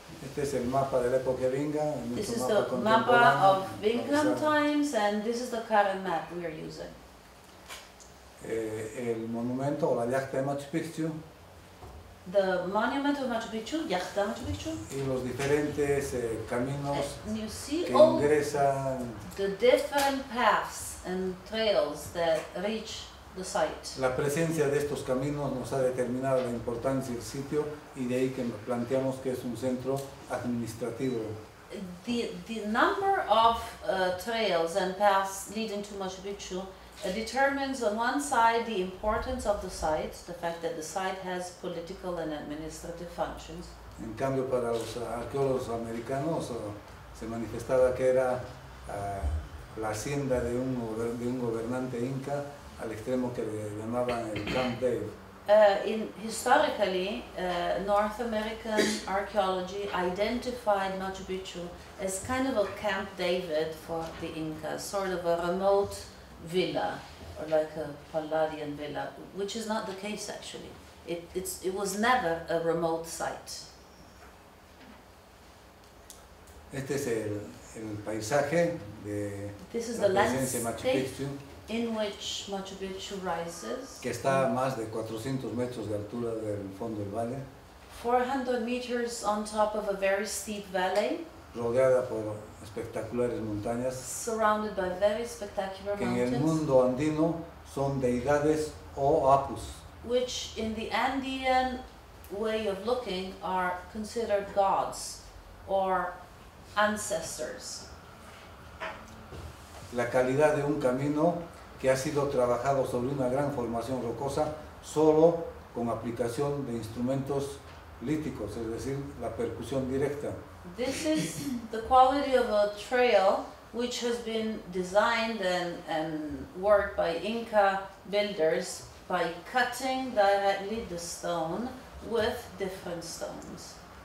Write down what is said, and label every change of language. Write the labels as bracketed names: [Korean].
[Spanish] Este es el mapa de la época Vinga. [English] This is the mapa of Vingham times, and this is the current map we are using. [Spanish] El monumento o la Llacta de Machu Picchu. [English] The monument of Machu Picchu, Llacta de Machu Picchu. [Spanish] Y los diferentes caminos [English] see, [Spanish] que ingresan. [English] The different paths and trails that reach the site. [Spanish] La presencia de estos caminos nos ha determinado la importancia del sitio, y de ahí que nos planteamos que es un centro administrativo. [English] The number of trails and paths leading to Machu Picchu determines on one side the importance of the site, the fact that the site has political and administrative functions. [Spanish] En cambio, para los arqueólogos americanos se manifestaba que era la hacienda de un gobernante inca al extremo que le llamaban el Camp Dave. [English] Historically, North American archaeology identified Machu Picchu as kind of a Camp David for the Incas, sort of a remote villa, or like a Palladian villa, which is not the case actually. It was never a remote site. [Spanish] Este es el paisaje de [English] this is [Spanish] la [English] the [Spanish] presencia de Machu Picchu. [English] In which Machu Picchu rises, [Spanish] que está a más de 400 metros de altura del fondo del valle, [English] 400 meters on top of a very steep valley, [Spanish] rodeada por espectaculares montañas, [English] surrounded by very spectacular [Spanish] que [English] mountains, [Spanish] en el mundo andino son deidades o apus, [English] which in the Andean way of looking are considered gods or ancestors. [Spanish] La calidad de un camino que ha sido trabajado sobre una gran formación rocosa solo con aplicación de instrumentos líticos, es decir, la percusión directa. [English] This is the quality of a trail which has been designed and worked by Inca builders by cutting directly the stone with different stones.